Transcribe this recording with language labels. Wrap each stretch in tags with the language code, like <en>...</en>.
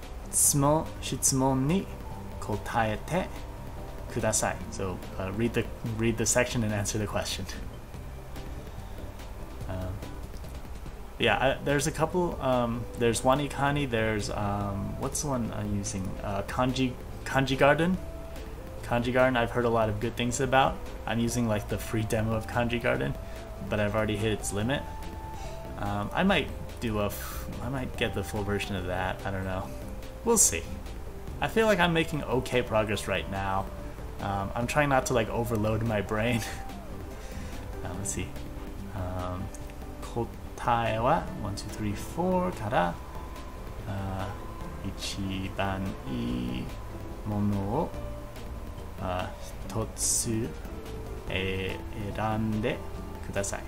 <ja>質問に答えてください。</ja> <en>So, read the section and answer the question. There's a couple. There's Wanikani, there's, what's the one I'm using? Kanji Garden. Kanji Garden, I've heard a lot of good things about. I'm using like the free demo of Kanji Garden, but I've already hit its limit. I might get the full version of that. I don't know. We'll see. I feel like I'm making okay progress right now. I'm trying not to like overload my brain. let's see.</en> <ja>答えは1234から一番いいものを一つ選んでください。</ja>